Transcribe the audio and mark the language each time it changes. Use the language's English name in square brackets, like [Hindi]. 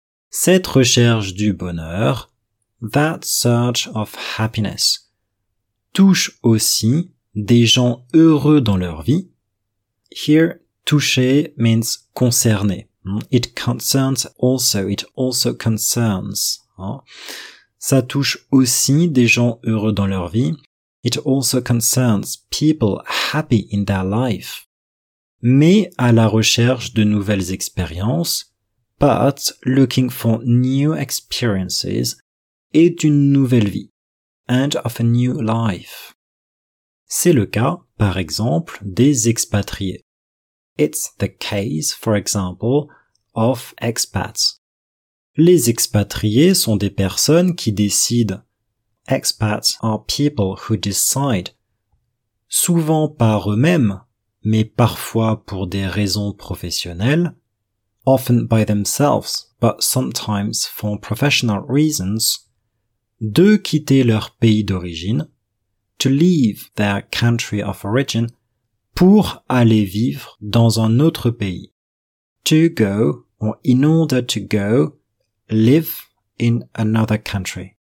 [French] Cette recherche du bonheur, [English] that search of happiness, [French] touche aussi des gens heureux dans leur vie. [English] Here, toucher means concerné. It concerns also, it also concerns. [French] Ça touche aussi des gens heureux dans leur vie. [English] It also concerns people happy in their life. [French] Mais à la recherche de nouvelles expériences, [English] but looking for new experiences, [French] et d'une nouvelle vie, [English] and of a new life. [French] C'est le cas, par exemple, des expatriés. [English] It's the case, for example, of expats. [French] Les expatriés sont des personnes qui décident. [English] Expats are people who decide, [French] souvent par eux-mêmes, mais parfois pour des raisons professionnelles, [English] often by themselves, but sometimes for professional reasons, [French] de quitter leur pays d'origine, [English] to leave their country of origin, [French] pour aller vivre dans un autre pays, [English] to go, or in order to go, live in another country.